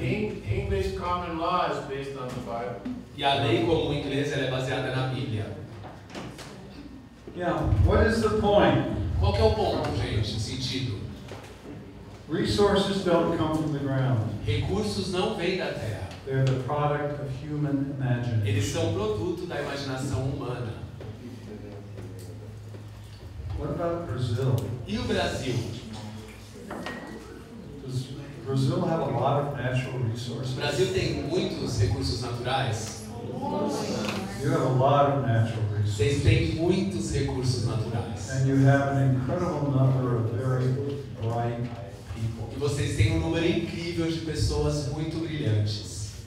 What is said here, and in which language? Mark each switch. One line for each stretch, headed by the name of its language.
English: English common law is based on the Bible.
Portuguese: E a lei comum inglesa é baseada na Bíblia.
English: Yeah, what is the point?
Portuguese: Qual que é o ponto, gente, sentido?
English: Resources don't come from the ground.
Portuguese: Recursos não vêm da terra.
English: They're the product of human imagination.
Portuguese: Eles são produto da imaginação humana.
English: What about Brazil?
Portuguese: E o Brasil?
English: Does Brazil have a lot of natural resources?
Portuguese: O Brasil tem muitos recursos naturais?
English: You have a lot of natural resources.
Portuguese: Vocês têm muitos recursos naturais.
English: And you have an incredible number of very bright people.
Portuguese: E vocês têm um número incrível de pessoas muito brilhantes.